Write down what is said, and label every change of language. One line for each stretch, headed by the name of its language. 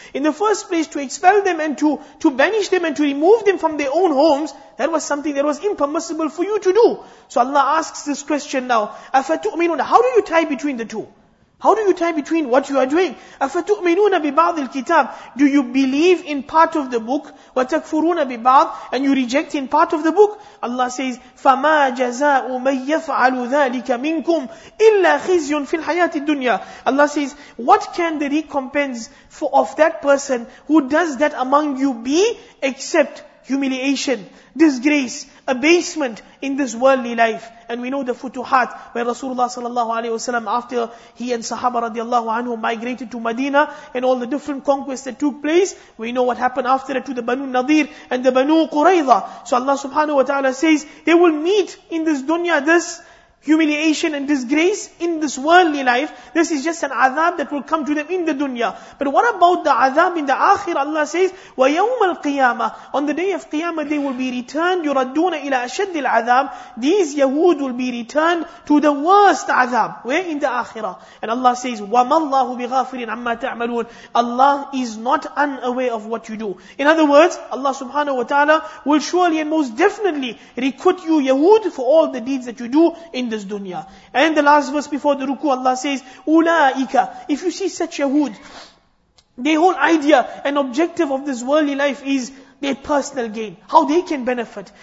English: In the first place, to expel them and to banish them and to remove them from their own homes, that was something that was impermissible for you to do. So Allah asks this question now, أَفَتُؤْمِنُونَ. How do you tie between the two? How do you tie between what you are doing?
Arabic: أَفَتُؤْمِنُونَ بِبَعْضِ الْكِتَابِ.
English: Do you believe in part of the book?
Arabic: وَتَكْفُرُونَ بِبَعْضِ.
English: And you reject in part of the book? Allah says,
Arabic: فَمَا جَزَاءُ مَنْ يَفْعَلُ ذَٰلِكَ مِنْكُمْ إِلَّا خِزْيٌ فِي الْحَيَاةِ الدُّنْيَا.
English: Allah says, what can the recompense for of that person who does that among you be except humiliation, disgrace, abasement in this worldly life? And we know the futuhat where Rasulullah sallallahu alayhi wa sallam, after he and Sahaba radiallahu anhu migrated to Medina and all the different conquests that took place, we know what happened after that to the Banu Nadir and the Banu Qurayza. So Allah subhanahu wa ta'ala says, they will meet in this dunya this humiliation and disgrace in this worldly life. This is just an azab that will come to them in the dunya. But what about the azab in the akhir? Allah says,
Arabic: وَيَوْمَ الْقِيَامَةِ.
English: On the day of qiyamah, they will be returned.
Arabic: يُرَدُّونَ إِلَىٰ أَشَدِّ الْعَذَابِ.
English: These Yahud will be returned to the worst azab. Where? In the akhirah. And Allah says,
Arabic: وَمَا اللَّهُ بِغَافِرٍ عَمَّا تَعْمَلُونَ.
English: Allah is not unaware of what you do. In other words, Allah subhanahu wa ta'ala will surely and most definitely requite you Yahud for all the deeds that you do in this dunya. And the last verse before the ruku, Allah says, Ulaika. If you see such Yahud, their whole idea and objective of this worldly life is their personal gain, how they can benefit.